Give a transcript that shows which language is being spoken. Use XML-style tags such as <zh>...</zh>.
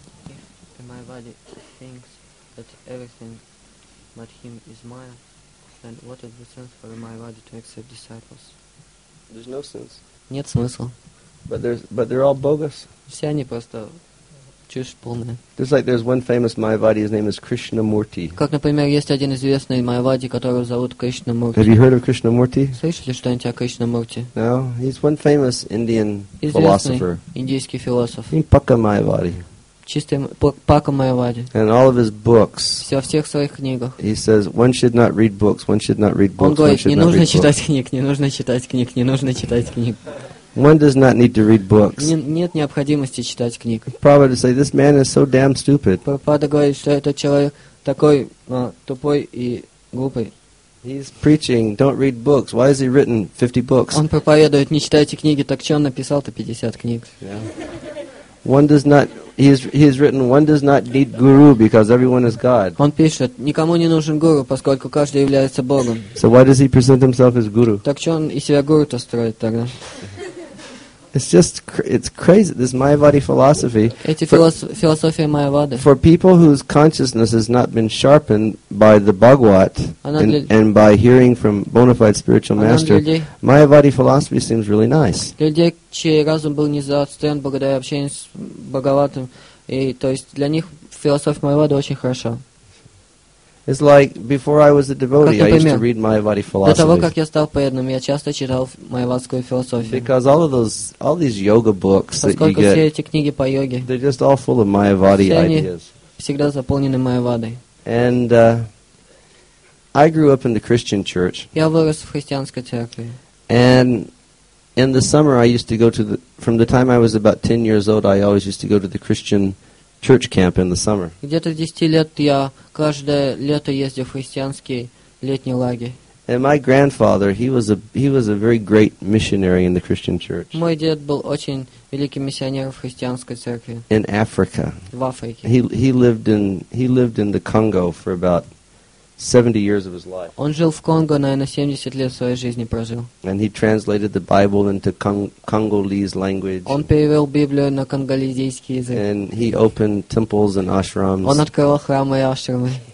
<en>If my body thinks that everything but him is Maya, then what is the sense for my body to accept disciples? There's no sense.</en> <ru>Нет смысла.</ru> <en>But they're all bogus.</en> <ru>Все они просто чушь полная.</ru> <en>There's like there's one famous Mayavadi, his name is Krishnamurti.</en> <ru>Как, например, есть один известный Mayavadi, которого зовут Кришнамурти.</ru> <en>Have you heard of Krishnamurti?</en> <ru>Слышали что-нибудь о Кришнамурти?</ru> <en>No, he's one famous Indian philosopher.</en> <ru>Известный индийский философ. Пакка Mayavadi. чистой Пакамая Вади.</ru> <en>And all of his books.</en> <ru>Все в всех своих книгах.</ru> <en>He says one should not read books. One should not read books.</en> <ru>Он говорит, не нужно читать книг, не нужно читать книг, не нужно читать книг.</ru> <en>One does not need to read books.</en> <ru>Нет необходимости читать книг.</ru> <en>Prabhupada says this man is so damn stupid.</en> <ru>Прабхупада говорит, что этот человек такой тупой и глупый.</ru> <en>He's preaching, don't read books. Why has he written 50 books?</en> <ru>Он проповедует, не читайте книги, так что он написал-то 50 книг.</ru> <en>One does not, he's written, one does not need guru because everyone is God.</en> <ru>Он пишет, никому не нужен гуру, поскольку каждый является Богом.</ru> <en>So why does he present himself as guru?</en> <ru>Так что он и себя гуру-то строит тогда?</ru> <en>It's just, it's crazy, this Mayavadi philosophy.</en> <ru>Эти философия Майявады.</ru> <en>For people whose consciousness has not been sharpened by the Bhagavat and by hearing from bona fide spiritual master, Mayavadi philosophy seems really nice.</en> <ru>Для людей, чей разум был не заострен благодаря общению с Бхагаватом, и то есть для них философия Майявады очень хороша.</ru> <en>It's like before I was a devotee, I used to read Mayavadi philosophy.</en> <ru>До того, как я стал преданным, я часто читал майявадскую философию.</ru> <en>Because all of those, all these yoga books that you get,</en> <ru>все эти книги по йоге,</ru> <en>they're just all full of Mayavadi ideas.</en> <ru>Все они всегда заполнены Майявадой.</ru> <en>And I grew up in the Christian church.</en> <ru>Я вырос в христианской церкви.</ru> <en>And in the summer, I used to go to the. From the time I was about 10 years old, I always used to go to the Christian church camp in the summer.</en> <ru>Где-то 10 лет я каждое лето ездил в христианский летний лагерь.</ru> <en>And my grandfather, he was a very great missionary in the Christian church.</en> <ru>Мой дед был очень великим миссионером в христианской церкви.</ru> <en>In Africa.</en> <ru>В Африке.</ru> <en>He lived in the Congo for about 70 years of his life.</en> <ru>Он жил в Конго, наверное, 70 лет своей жизни прожил.</ru> <en>And he translated the Bible into Congolese language.</en> <ru>Он перевел Библию на конголезийский язык.</ru> <en>And he opened temples and ashrams.</en> <ru>Он открывал храмы и ашрамы.</ru>